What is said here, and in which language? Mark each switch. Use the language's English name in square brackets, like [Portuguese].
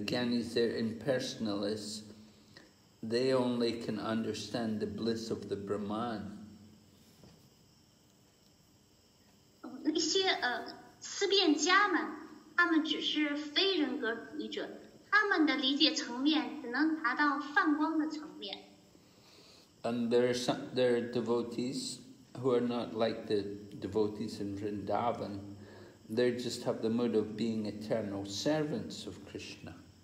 [English] Gyanis, they're impersonalists, they only can understand the bliss of the Brahman. [Chinese] 那些思辨家们，他们只是非人格主义者。 [English] And there are devotees who are not like the devotees in Vrindavan. They just have the mood of being eternal servants of Krishna.